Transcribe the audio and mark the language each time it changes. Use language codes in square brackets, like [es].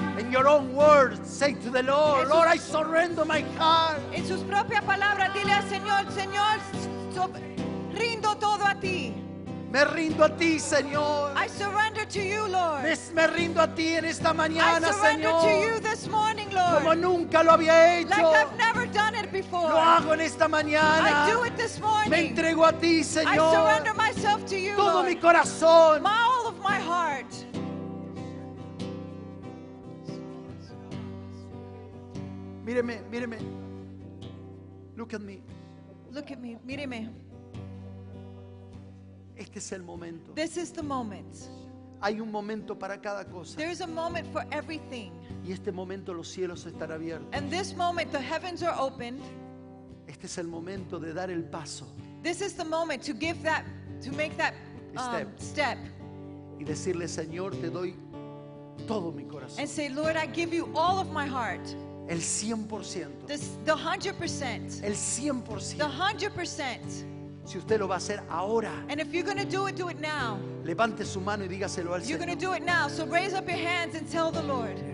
[en] your own words, say to the Lord, Lord, I surrender my heart. [es] En sus propias palabras, dile al Señor, Señor, rindo todo a ti. Me rindo a ti, Señor. [en] I surrender to you, Lord. [es] Me rindo a ti en esta mañana, Señor. [en] I surrender to you this morning, Lord. [es] Como nunca lo había hecho. [en] Like I've never done it before. [es] Lo hago en esta mañana. [en] I do it this morning. [es] Me entrego a ti, Señor. [en] I surrender myself to you, [es] todo [en] Lord. [es] Mi corazón. [en] All of my heart. [es] Míreme, míreme. [en] Look at me. Look at me. [es] Míreme. Este es el momento. [en] This is the moment. [es] Hay un momento para cada cosa. [en] There is a moment for everything. [es] Y este momento los cielos están abiertos. [en] And this moment the heavens are opened. [es] Este es el momento de dar el paso. [en] This is the moment to give that, to make that step. [es] Y decirle, Señor, te doy todo mi corazón. [en] And say, Lord, I give you all of my heart. [es] El 100%. [en] The 100%. [es] El 100%. [en] The 100%. [es] Si usted lo va a hacer ahora. [en] And if you're going to do it now. [es] Levante su mano y dígaselo al Señor. [en] You're going to do it now. So raise up your hands and tell the Lord.